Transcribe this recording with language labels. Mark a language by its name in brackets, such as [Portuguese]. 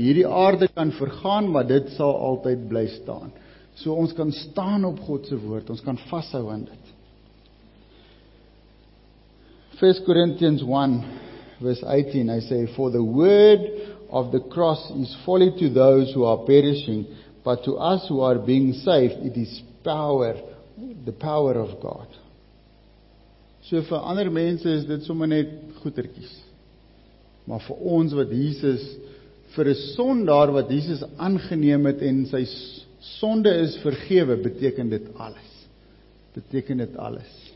[Afrikaans] Hierdie aarde kan vergaan, maar dit sal altyd bly staan. So ons kan staan op God se woord, ons kan vashou aan dit. 1 Korintiërs 1 vers 18, hy sê, [English] for the word of the cross is folly to those who are perishing, but to us who are being saved, it is power, the power of God. [Afrikaans] So vir ander mense is dit sommer net goetertjies. Maar vir ons wat Jesus, vir 'n sondaar wat Jesus aangeneem het en sy sonde is vergewe, beteken dit alles. Beteken dit alles.